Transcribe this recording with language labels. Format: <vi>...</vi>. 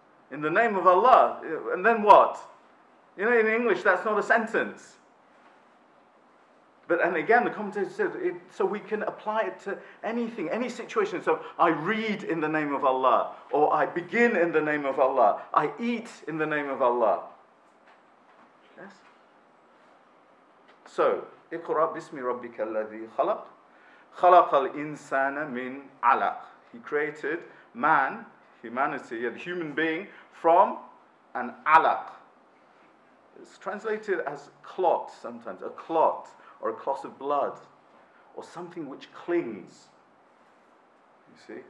<en>And then what? You know, in English, that's not a sentence. But, and again, the commentator said, so we can apply it to anything, any situation. So I read in the name of Allah, or I begin in the name of Allah, I eat in the name of Allah. Yes?</en> <ar>So, اقرأ بسم ربك الذي خلق. خلق الإنسان من علق.</ar> <en>He created man, humanity, a human being, from an alaq. It's translated as clot sometimes, a clot, or a clot of blood, or something which clings. You see?</en>